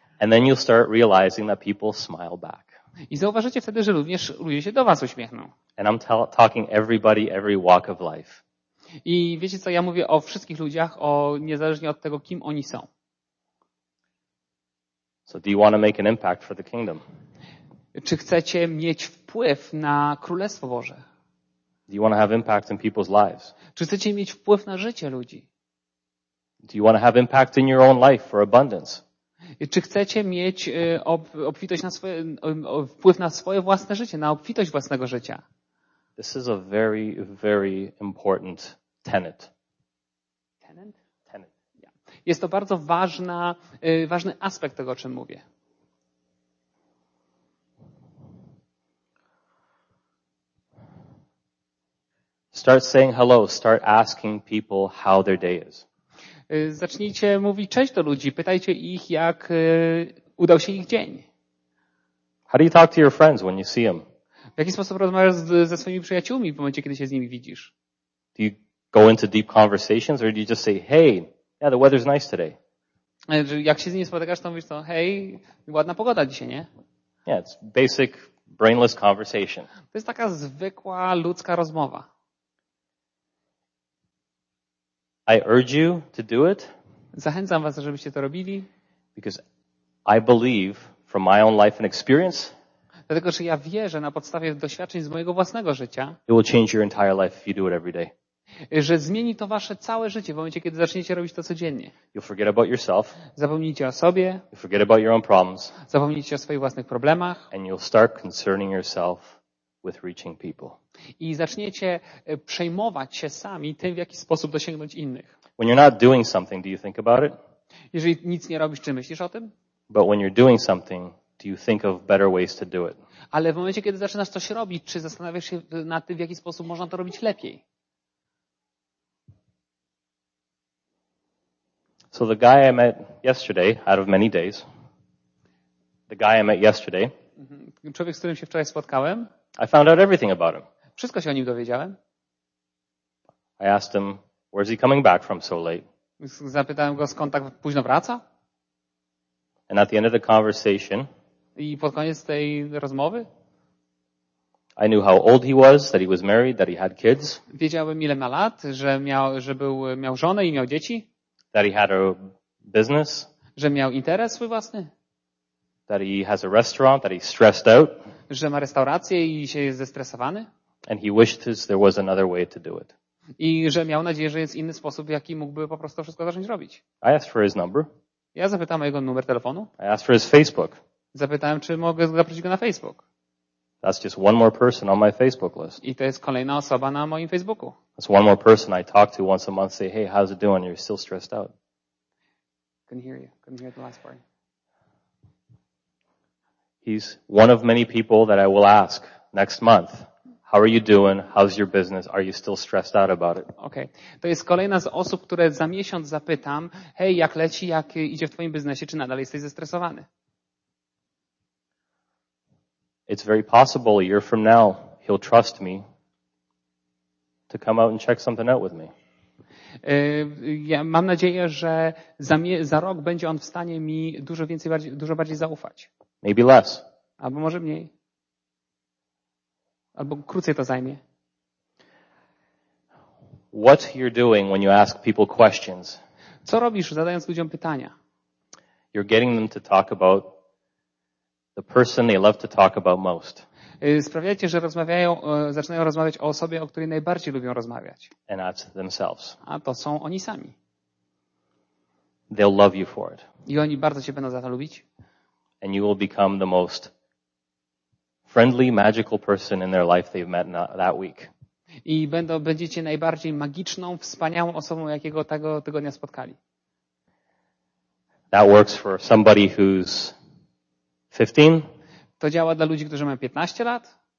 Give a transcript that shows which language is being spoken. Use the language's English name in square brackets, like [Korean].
[English] And then you'll start realizing that people smile back. [Polish] I zauważycie wtedy, że również ludzie się do was uśmiechną. [English] And I'm talking everybody, every walk of life. [Polish] I wiecie co, ja mówię o wszystkich ludziach, o niezależnie od tego, kim oni są. [English] So do you want to make an impact for the kingdom? [Polish] Czy chcecie mieć wpływ na Królestwo Boże? [English] Do you want to have impact in people's lives? [Polish] Czy chcecie mieć wpływ na życie ludzi? [English] Do you want to have impact in your own life for abundance? [Polish] Czy chcecie mieć obfitość na swoje, wpływ na swoje własne życie, na obfitość własnego życia? [English] This is a very, very important tenet. Tenet? Tenet. Yeah. [Polish] Jest to bardzo ważny aspekt tego, o czym mówię. [English] Start saying hello. Start asking people how their day is. [Polish] Zacznijcie mówić cześć do ludzi. Pytajcie ich, jak udał się ich dzień. [English] How do you talk to your friends when you see them? [Polish] W jaki sposób rozmawiasz ze swoimi przyjaciółmi w momencie, kiedy się z nimi widzisz? [English] Do you go into deep conversations or do you just say, hey, yeah, the weather's nice today? [Polish] Jak się z nimi spotykasz, to mówisz to, hey, ładna pogoda dzisiaj, nie? [English] Yeah, it's basic brainless conversation. [Polish] To jest taka zwykła ludzka rozmowa. [English] I urge you to do it. [Polish] Zachęcam was, żebyście to robili. [English] Because I believe from my own life and experience. [Polish] Dlatego, że ja wierzę na podstawie doświadczeń z mojego własnego życia. [English] It will change your entire life if you do it every day. [Polish] Że zmieni to wasze całe życie w momencie, kiedy zaczniecie robić to codziennie. [English] You'll forget about yourself. [Polish] Zapomnijcie o sobie. [English] You'll forget about your own problems. [Polish] Zapomnijcie o swoich własnych problemach. [English] And you'll start concerning yourself with reaching people. [Polish] I zaczniecie przejmować się sami tym, w jaki sposób dosięgnąć innych. [English] When you're not doing something, do you think about it? [Polish] Jeżeli nic nie robisz, czy myślisz o tym? [English] But when you're doing something, do you think of better ways to do it? [Polish] Ale w momencie, kiedy zaczynasz coś robić, czy zastanawiasz się nad tym, w jaki sposób można to robić lepiej? [English] So the guy I met yesterday, out of many days, the guy I met yesterday, [Polish] człowiek, z którym się wczoraj spotkałem, [English] I found out everything about him. [Polish] Wszystko się o nim dowiedziałem. [English] I asked him, where's he coming back from so late? [Polish] Zapytałem go, skąd tak późno wraca? [English] And at the end of the conversation, [Polish] i pod koniec tej rozmowy, [English] I knew how old he was, that he was married, that he had kids. [Polish] Wiedziałem, ile ma lat, że miał żonę i miał dzieci. [English] That he had a business. [Polish] Że miał interes swój własny. [English] That he has a restaurant, that he's stressed out. [Polish] Że ma restaurację i się jest zestresowany. [English] And he wished there was another way to do it. [Polish] I że miał nadzieję, że jest inny sposób, w jaki mógłby po prostu wszystko zacząć robić. [English] I asked for his number. [Polish] Ja zapytałem o jego numer telefonu. [English] I asked for his Facebook. [Polish] Zapytałem, czy mogę zaprosić go na Facebook. [English] That's just one more person on my Facebook list. [Polish] I to jest kolejna osoba na moim Facebooku. [English] That's one more person I talk to once a month, say, hey, how's it doing? You're still stressed out. Couldn't hear you. Couldn't hear the last part. He's one of many people that I will ask next month, how are you doing? How's your business? Are you still stressed out about it? Okay. [Polish] To jest kolejna z osób, które za miesiąc zapytam, hej, jak leci, jak idzie w twoim biznesie, czy nadal jesteś zestresowany? [English] It's very possible a year from now he'll trust me to come out and check something out with me. [Polish] Ja mam nadzieję, że za rok będzie on w stanie mi dużo bardziej zaufać. [English] Maybe less. [Polish] Albo może mniej. Albo krócej to zajmie. [English] What you're doing when you ask people questions? [Polish] Co robisz, zadając ludziom pytania? [English] You're getting them to talk about the person they love to talk about most. [Polish] Sprawiacie, że zaczynają rozmawiać o osobie, o której najbardziej lubią rozmawiać. [English] And that's themselves. [Polish] A to są oni sami. [English] They'll love you for it. [Polish] I oni bardzo cię będą za to lubić. [English] And you will become the most friendly, magical person in their life they've met that week. [Polish] I będziecie najbardziej magiczną, wspaniałą osobą, jakiego tego tygodnia spotkali. [English] That works for somebody who's 15. [Polish] To działa dla ludzi, którzy mają 15 lat.